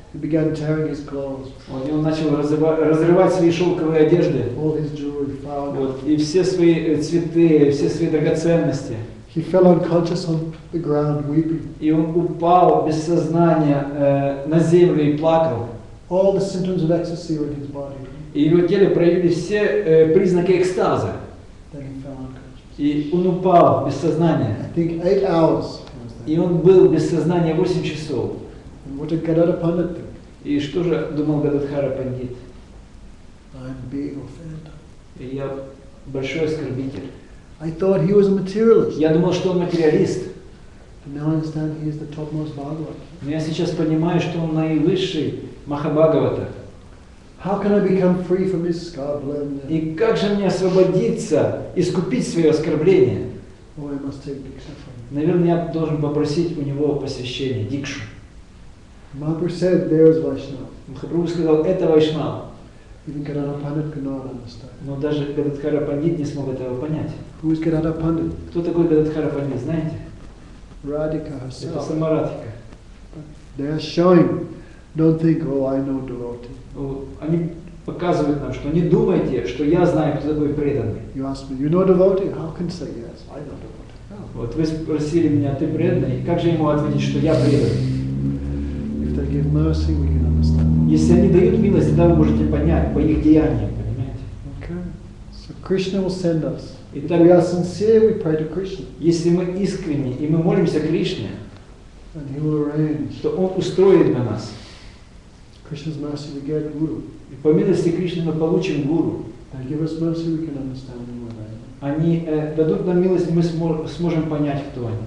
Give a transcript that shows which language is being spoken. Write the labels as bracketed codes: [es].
[en] He began tearing his clothes. [ru] Он начал разрывать свои шелковые одежды. [en] All his jewelry fell. [ru] Вот, и все свои цветы, все свои драгоценности. [en] He fell unconscious on the ground, weeping. [ru] И он упал без сознания на землю и плакал. [en] All the symptoms of ecstasy were in his body. [ru] И в его теле проявились все признаки экстаза. [en] Then he fell unconscious. [ru] И он упал без сознания. [en] I think 8 hours. [ru] И он был без сознания 8 часов. [en] And what did Gadadhara Pandit think? [ru] И что же думал Гададхара Пандит? [en] I'm being offended. [ru] И я большой оскорбитель. [en] I thought he was a materialist. [ru] Я думал, что он материалист. [en] And now I understand he is the topmost Bhagavata. [ru] Но я сейчас понимаю, что он наивысший Махабхагавата. [en] How can I become free from his scorn? [ru] И как же мне освободиться, искупить свое оскорбление? [en] Oh, I must take diksha from him. [ru] Наверное, я должен попросить у него посвящение, дикшу. [en] Mahaprabhu said, there is Vaishnava. [ru] Mahaprabhu сказал, это Вайшнав. [en] Even Gadadhar Pandit could not understand. [ru] Но даже Гададхара Пандит не смог этого понять. [en] Who is Gadadhar Pandit? [ru] Кто такой Гададхара Пандит, знаете? [en] Radhika herself. [ru] Это сама Радхика. [en] They are showing. Don't think, oh, I know devotee. [ru] Они показывают нам, что не думайте, что я знаю, кто такой преданный. [en] You ask me, you know devotee? How can I say yes? I know devotee. Oh. [ru] Вот вы спросили меня, ты преданный? Как же ему ответить, что я преданный? [en] If they give mercy, we can understand. [ru] Если они дают милость, тогда вы можете понять по их деяниям, понимаете? [en] Okay. So Krishna will send us. Итак, if we are sincere, we pray to Krishna. [ru] Если мы искренни и мы молимся Кришне, [en] and he will arrange. [ru] То он устроит для нас. [en] Krishna's mercy we get guru. [ru] И по милости Кришны мы получим гуру. [en] They give us mercy, we can understand more than that. [ru] Они дадут нам милость, и мы сможем понять, кто они.